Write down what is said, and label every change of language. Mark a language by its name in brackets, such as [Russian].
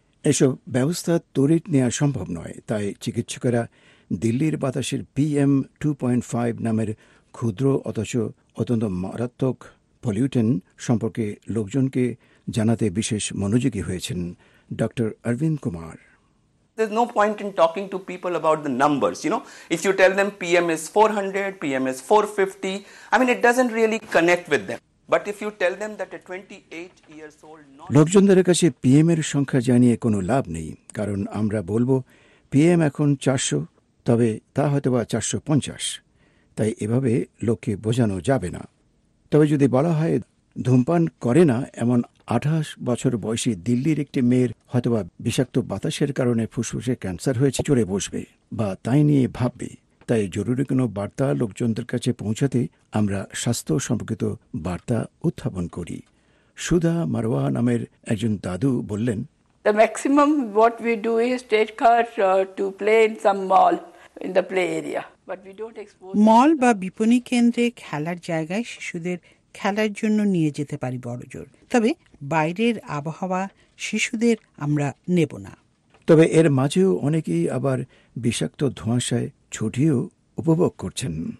[Bangla] এসব ব্যবস্থা তড়িৎ নেওয়া সম্ভব নয়, তাই চিকিৎসকেরা দিল্লির বাতাসের PM 2.5 নামের ক্ষুদ্র অথচ অত্যন্ত মারাত্মক পলিউটেন সম্পর্কে লোকজনকে জানাতে বিশেষ মনোযোগী হয়েছেন doctor Aurobindo Kumar. [English] There's no point in talking to people about the numbers, you know. If you tell them PM is 400, PM is 450, I mean, it doesn't really connect with them. But if you tell them that a 28-year-old... [Bangla] লোকজনদের কাছে PM এর সংখ্যা জানিয়ে কোনো লাভ নেই, কারণ আমরা বলবো PM এখন 400, তবে তা হয়তো বা 450, তাই এভাবে লোককে বোঝানো যাবে না। তবে যদি বলা হয় ধূমপান করে না এমন 28 বছর বয়সী দিল্লির একটি মেয়ের হয়তোবা বিষাক্ত বাতাসের কারণে ফুসফুসে ক্যান্সার হয়েছে চড়ে বসবে বা তাই নিয়ে ভাববে, তাই জরুরি কোনো বার্তা লোকজনদের কাছে পৌঁছাতে আমরা স্বাস্থ্য সম্পর্কিত বার্তা উত্থাপন করি। সুধা মারোয়া নামের একজন দাদু বললেন, [English] The maximum what we do is take her to play in some mall in the play area. [Bangla] মল বা বিপণী কেন্দ্রে খেলার জায়গায় শিশুদের খেলার জন্য নিয়ে যেতে পারি বড় জোর, তবে বাইরের আবহাওয়া শিশুদের আমরা নেব না। তবে এর মাঝেও অনেকেই আবার বিষাক্ত ধোঁয়াশায় ছুটিও উপভোগ করছেন।